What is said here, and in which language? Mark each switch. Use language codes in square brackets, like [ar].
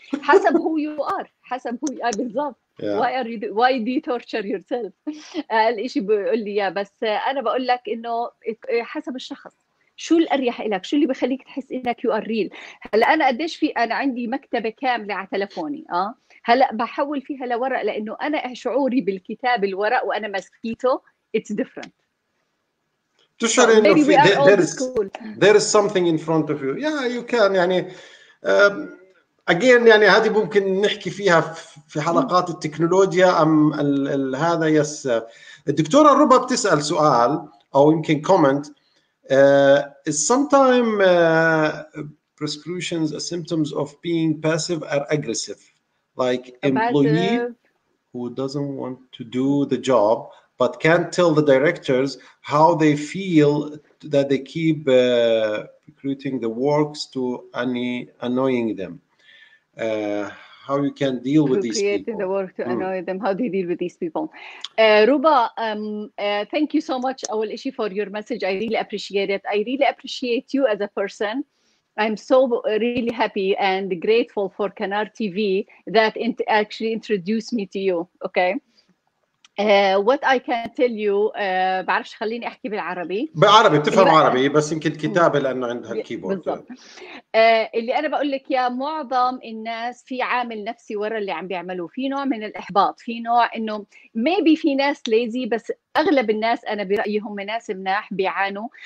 [ar] حسب هو يو آر، حسب هو يو آر بالضبط. [en] Why do you torture yourself؟ [ar] الإشي بيقول لي يا، بس أنا بقول لك إنه حسب الشخص شو الأريح إلك، شو اللي بخليك تحس إنك يو آر ريل. هلأ أنا قديش في، أنا عندي مكتبة كاملة على تلفوني، هلأ بحول فيها لورق، لأنه أنا شعوري بالكتاب الورق وأنا ماسكيته [en] it's different. [ar] تشعر إنه في [en] there is something in front of you. Yeah, you can. [ar] يعني again يعني هذه ممكن نحكي فيها في حلقات التكنولوجيا أم هذا. يس الدكتورة ربا بتسأل سؤال أو يمكن comment. [en] Sometimes prescriptions are symptoms of being passive or aggressive, like employee who doesn't want to do the job but can't tell the directors how they feel that they keep recruiting the works to annoying them. How you can deal with these people. Creating the work to annoy them. How do you deal with these people? Ruba, thank you so much, [ar] أول إشي, [en] for your message. I really appreciate it. I really appreciate you as a person. I'm so really happy and grateful for Kanar TV that it actually introduced me to you, okay? What I can tell you, [ar] بعرفش خليني أحكي بالعربي. بالعربي تفهم عربي، بس يمكن كتابة لأنه عندها الكيبورد. اللي أنا بقول لك يا، معظم الناس في عامل نفسي وراء اللي عم بيعملوا، في نوع من الإحباط، في نوع إنه maybe في ناس lazy، بس أغلب الناس أنا برأيي هم ناس مناح بيعانوا.